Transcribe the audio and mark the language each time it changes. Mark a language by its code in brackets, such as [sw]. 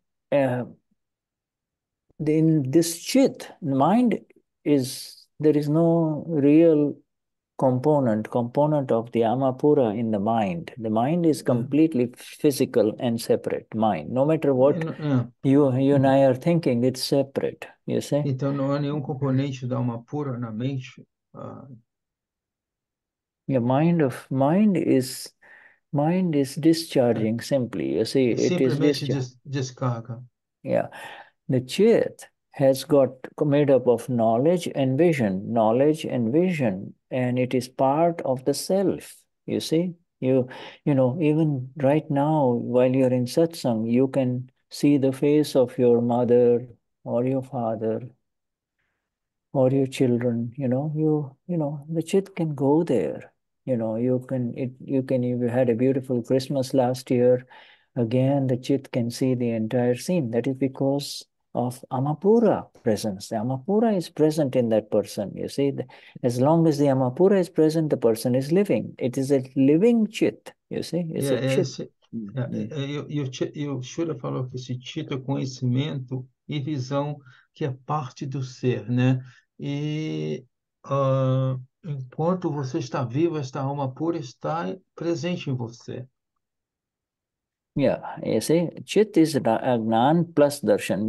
[en] In this chit, mind is there is no real component of the amapura in the mind. The mind is completely physical and separate mind. No matter what you and I are thinking, it's separate, you see. [pt] Então não há nenhum componente da alma pura na mente. [en] Your mind is discharging simply, you see, it is [pt] Simplesmente [en] discharging. [pt] descarga. [en] The chit has got made up of knowledge and vision, and it is part of the self, you see. You know, even right now, while you're in satsang, you can see the face of your mother or your father or your children. You know, the chit can go there. You know, you can, it, you can, if you had a beautiful Christmas last year, again, the chit can see the entire scene. That is because of Amapura presence. The Amapura is present in that person. You see, as long as the Amapura is present, the person is living. It is a living chit, you see. It's yeah, a chit. [pt] Esse, eu Shura falou que esse chit é conhecimento e visão que é parte do ser, né? E enquanto você está vivo, esta alma pura está presente em você. [en] Yeah, you see, chit is gnan plus darshan.